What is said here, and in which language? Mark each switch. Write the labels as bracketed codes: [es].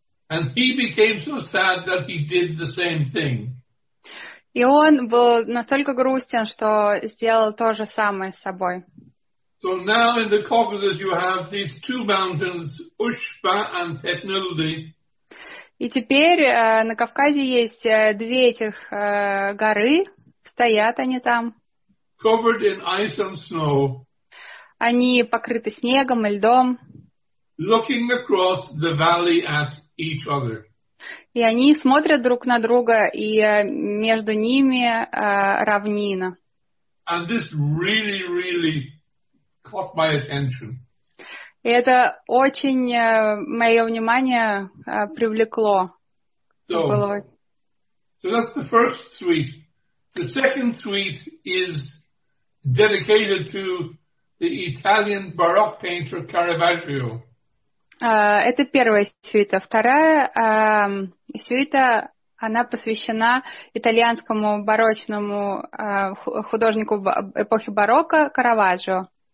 [en] And he became so sad that he did the same thing. [ru] И он был настолько грустен, что сделал то же самое с собой. [en] So now in the Caucasus you have these two mountains, Ushba and Teknuli. [ru] И теперь на Кавказе есть две этих горы, стоят они там. [en] Covered in ice and snow. [ru] Они покрыты снегом и льдом. [en] Looking across the valley at each other. [ru] И они смотрят друг на друга, и между ними равнина. [en] And this really, really caught my attention. [ru] И это очень мое внимание привлекло. [en] So that's the first suite. The second suite is dedicated to the Italian Baroque painter Caravaggio. [ru] Это первая сюита. Вторая сюита, она посвящена итальянскому барочному художнику эпохи барокко Караваджо.